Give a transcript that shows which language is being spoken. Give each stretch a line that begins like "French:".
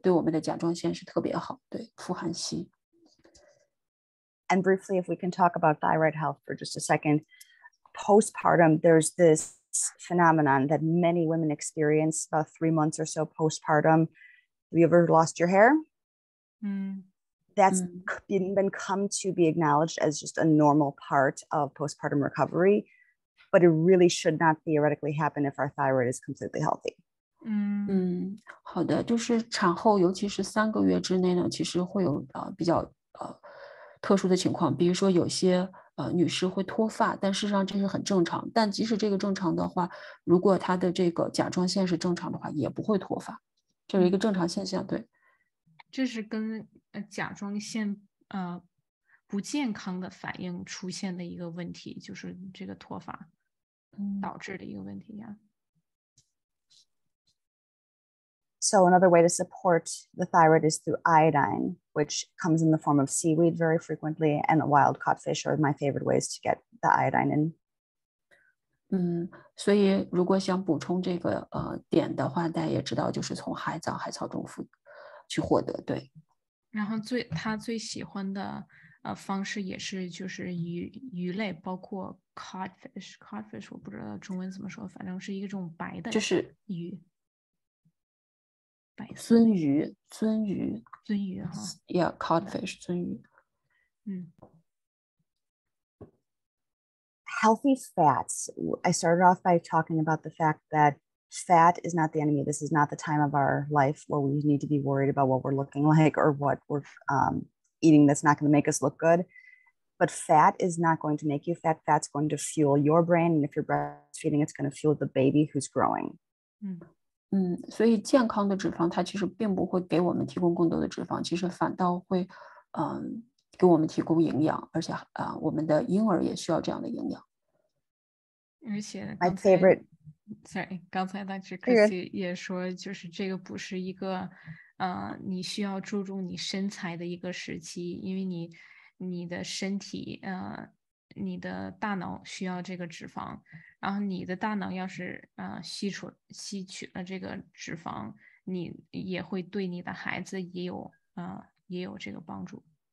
Chinese: 对我们的甲状腺是特别好，对富含硒。
English: And briefly, if we can talk about thyroid health for just a second, postpartum, there's this phenomenon that many women experience about 3 months or so postpartum. Have you ever lost your hair? That's been come to be acknowledged as just a normal part of postpartum recovery, but it really should not theoretically happen if our thyroid is completely healthy.
Chinese: 好的，就是产后，尤其是三个月之内呢，其实会有比较特殊的情况，比如说有些女士会脱发，但事实上这是很正常。但即使这个正常的话，如果她的这个甲状腺是正常的话，也不会脱发，这是一个正常现象。对，这是跟甲状腺不健康的反应出现的一个问题，就是这个脱发导致的一个问题呀。
English: So another way to support the thyroid is through iodine, which comes in the form of seaweed very frequently, and wild caught fish are my favorite ways to get the iodine in.
Chinese: 所以如果想补充这个碘的话，大家也知道就是从海藻、海草中去获得，对。然后他最喜欢的方式也是就是鱼类，包括 codfish， 我不知道中文怎么说，反正是一种白的鱼。就是鱼。鳟鱼、 huh?
English: Yeah, codfish,
Chinese: 鳟鱼。
English: Healthy fats. I started off by talking about the fact that fat is not the enemy. This is not the time of our life where we need to be worried about what we're looking like or what we're eating that's not going to make us look good. But fat is not going to make you fat. Fat's going to fuel your brain. And if you're breastfeeding, it's going to fuel the baby who's growing. Mm.
Chinese: 所以健康的脂肪它其实并不会给我们提供更多的脂肪，其实反倒会给我们提供营养，而且我们的婴儿也需要这样的营养。而且
English: My favorite. Sorry,
Chinese: 刚才那只 Chrissy 也说，就是这个不是一个你需要注重你身材的一个时期，因为你的身体你的大脑需要这个脂肪，然后你的大脑要是吸取了这个脂肪，你也会对你的孩子也有这个帮助。